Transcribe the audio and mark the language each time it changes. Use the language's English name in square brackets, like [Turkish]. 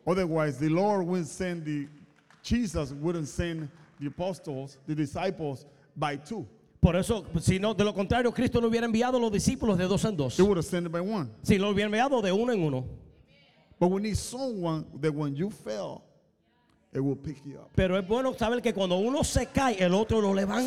[English] Otherwise, the Lord wouldn't send the Jesus wouldn't send the apostles, the disciples by two. [Spanish] Por eso, si no, de lo contrario, Cristo no hubiera enviado a los discípulos de dos en dos. [English] He would have sent it by one. [Spanish] Si lo hubiera enviado de uno en uno. [English] But we need someone that when you fail, it will pick you up. [Spanish] Pero es bueno saber que cuando uno se cae, el otro lo levanta.